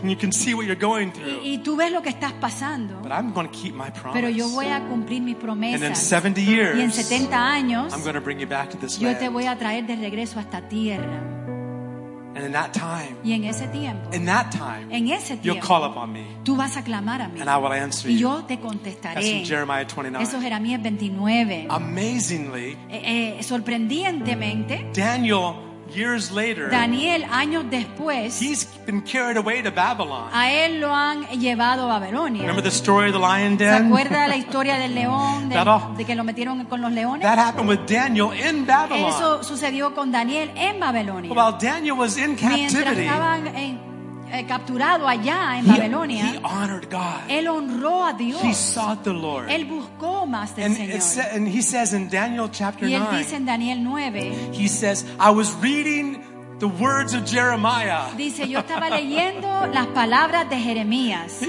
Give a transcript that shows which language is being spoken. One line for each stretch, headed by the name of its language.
English: And you can see what you're going through.
Spanish: Y tú ves lo que estás pasando.
English: But I'm going to keep my promise.
Spanish: Pero yo voy a cumplir mis promesas.
English: And in 70 years.
Spanish: Y en 70 años.
English: I'm going to bring you back to this
Spanish: yo
English: land.
Spanish: Yo te voy a traer de regreso a esta tierra.
English: And in that time,
Spanish: y en ese tiempo,
English: in that time,
Spanish: en ese tiempo,
English: you'll call upon me,
Spanish: tú vas a clamar a mí,
English: and I will answer
Spanish: y
English: you.
Spanish: Yo te contestaré.
English: That's from Jeremiah 29.
Spanish: Eso es Jeremías 29.
English: Amazingly,
Spanish: sorprendentemente,
English: Daniel, years later,
Spanish: Daniel, años después,
English: he's been carried away to Babylon.
Spanish: A él lo han llevado a Babilonia.
English: Remember the story of the lion den?
Spanish: ¿Se acuerda la historia del león, de que lo metieron con los leones?
English: That happened with Daniel in Babylon.
Spanish: Eso sucedió con Daniel en Babilonia.
English: While Daniel was in captivity,
Spanish: capturado allá en Babilonia,
English: he honored God.
Spanish: Él honró a Dios.
English: He sought the Lord.
Spanish: Él buscó más del
English: and
Spanish: Señor.
English: And he says in Daniel chapter 9,
Spanish: y él dice en Daniel 9,
English: he says, "I was reading the words of Jeremiah."
Spanish: Dice, yo estaba leyendo las palabras de Jeremías.